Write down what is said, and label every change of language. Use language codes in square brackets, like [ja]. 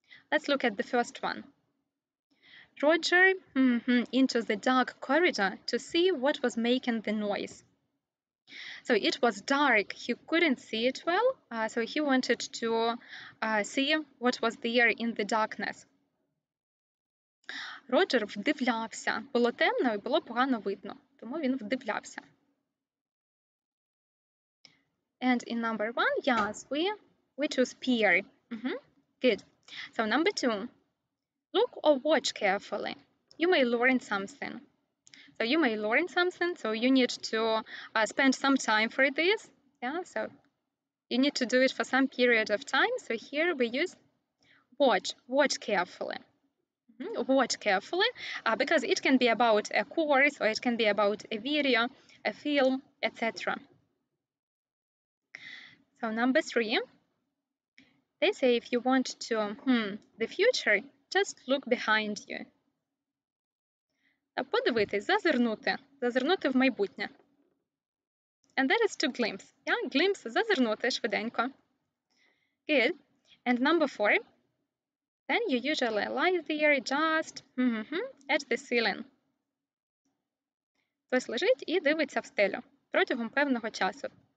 [en] Let's look at the first one. Roger, into the dark corridor to see what was making the noise. So it was dark, he couldn't see it well, so he wanted to see what was there in the darkness. [uk] Роджер вдивлявся. Було темно і було погано видно, тому він вдивлявся. [en] And in number one, yes, we choose peer. Mm-hmm. Good. So number two, look or watch carefully. You may learn something. So you may learn something, so you need to spend some time for this. Yeah, so you need to do it for some period of time. So here we use watch, watch carefully. Mm-hmm. Watch carefully, because it can be about a course or it can be about a video, a film, etc. So number three, they say if you want to the future, just look behind you. [uk] Подивитись, зазирнути в майбутнє. [en] And that is to glimpse. Yeah, glimpse, [uk] зазирнути швиденько. [en] Good. And number four, then you usually lie there just at the ceiling. [uk] Хтось лежить і дивиться в стелю протягом певного часу.